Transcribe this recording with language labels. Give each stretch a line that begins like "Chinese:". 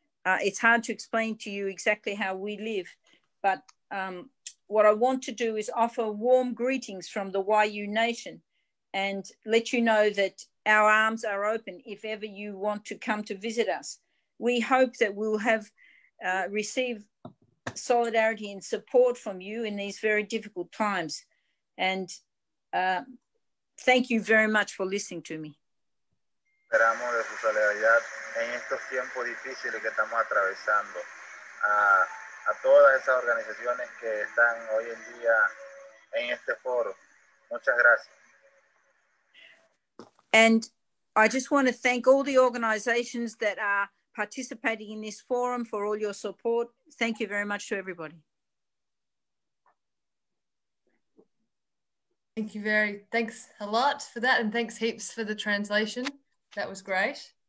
English: It's hard to explain to you exactly how we live, but what I want to do is offer warm greetings from the Wayuu Nation and let you know that our arms are open if ever you want to come to visit us. We hope that we'll have received solidarity and support from you in these very difficult times. And thank you very much for listening to me.
Spanish: Esperamos de su solidaridad en estos tiempos difíciles que estamos atravesando. A todas esas organizaciones que están hoy en día en este foro. Muchas gracias.
English: And I just want to thank all the organizations that are participating in this forum for all your support. Thank you very much to everybody. Thank you very, thanks a lot for that. And thanks heaps for the translation. That was great.